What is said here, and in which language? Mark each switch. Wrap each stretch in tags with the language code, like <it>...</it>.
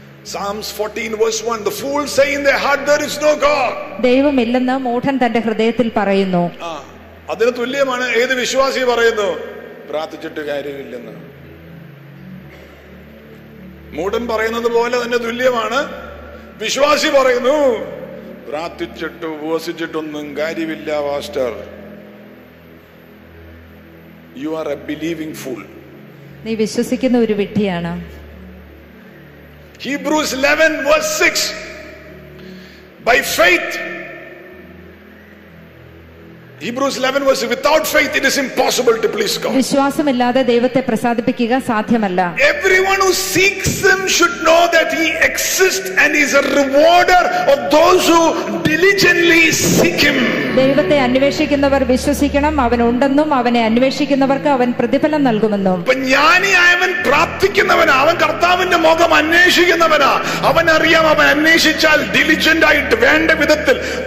<en>Psalms 14:1, the fool say in their heart, there is no God.</en> <ml>ദൈവം ഇല്ലെന്ന് മൂഢൻ തന്റെ ഹൃദയത്തിൽ പറയുന്നു. അതിന് തുല്യമാണ് ഏത് വിശ്വാസി പറയുന്നു, പ്രാർത്ഥിച്ചിട്ട് കാര്യമില്ലെന്ന്. മൂടൻ പറയുന്നത് പോലെ തന്നെ തുല്യമാണ് വിശ്വാസി പറയുന്നു, പ്രാർത്ഥിച്ചിട്ട് ഉപവസിച്ചിട്ടൊന്നും കാര്യമില്ല.</ml> <en>Pastor, you are a believing fool.</en> <ml>നീ വിശ്വസിക്കുന്ന ഒരു വിഡ്ഢിയാണ്.</ml> <en>Hebrews 11:6, by faith Hebrews 11 was without faith it is impossible to please God.</en> <ml>വിശ്വാസം ഇല്ലാതെ ദൈവത്തെ പ്രസാദിപ്പിക്കുക സാധ്യമല്ല.</ml> <en>Everyone who seeks him should know that he exists and is a rewarder of those who diligently seek him.</en> <ml>ദൈവത്തെ അന്വേഷിക്കുന്നവർ വിശ്വസിക്കണം അവൻ ഉണ്ടെന്നും അവനെ അന്വേഷിക്കുന്നവർക്ക് അവൻ പ്രതിഫലം നൽകുമെന്നും. അപ്പോൾ ജ്ഞാനിയായവൻ പ്രാർത്ഥിക്കുന്നവനാ അവൻ കർത്താവിന്റെ മുഖം അന്വേഷിക്കുന്നവനാ അവൻ അറിയാം അവൻ അന്വേഷിച്ചാൽ ഡിലിജന്റ് ആയിട്ട് വേണ്ട വിധത്തിൽ</ml>